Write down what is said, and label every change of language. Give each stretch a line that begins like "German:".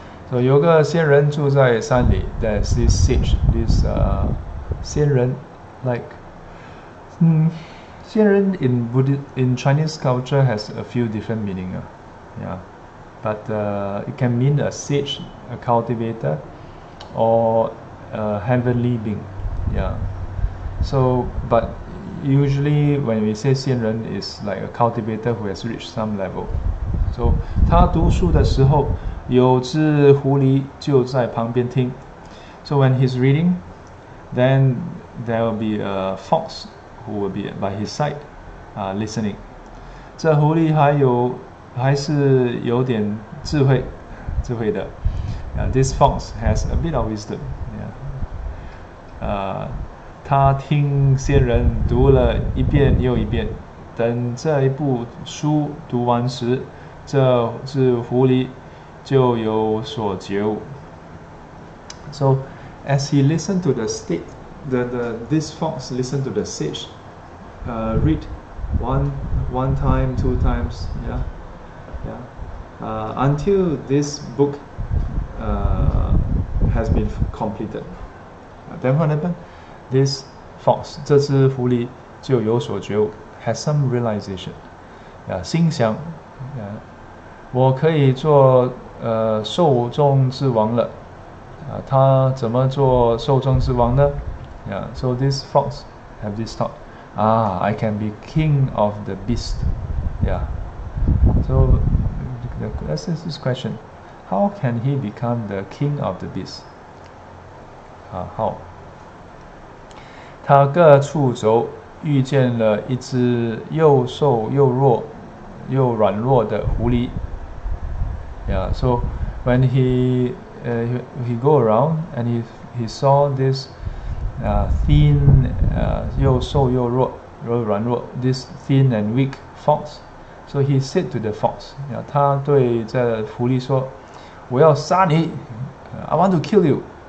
Chinese: So 有个仙人住在山里。
English: There's this sage, this 仙人，like 仙人 in Chinese culture has a few different meaning. But it can mean a sage, a cultivator, or a heavenly being. So, but usually when we say 仙人 is like a cultivator who has reached some level.
Chinese: So 他读书的时候，有只狐狸就在旁边听。
English: So when he's reading, then there will be a fox who will be by his side, listening.
Chinese: 这狐狸还是有点智慧的。
English: This fox has a bit of wisdom. Yeah.
Chinese: 他听仙人读了一遍又一遍，等这一部书读完时，这只狐狸就有所觉悟。
English: So, as he listened to the state, this fox listened to the sage, read one time, two times, until this book has been completed. Then what happened? This fox,
Chinese: 这只狐狸就有所觉悟，
English: has some realization.
Chinese: Yeah, 心想， yeah, 我可以做受众之王了。他怎么做受众之王呢？
English: Yeah, so this fox have this thought. Ah, I can be king of the beast. Yeah. So, let's ask this question. How can he become the king of the beast? How?
Chinese: 他各处走，遇见了一只又瘦又弱又软弱的狐狸。
English: Yeah, so when he go around and he saw this thin
Chinese: 又瘦又弱又软弱
English: this thin and weak fox, so he said to the fox,
Chinese: 他对这狐狸说，我要杀你，
English: I want to kill you.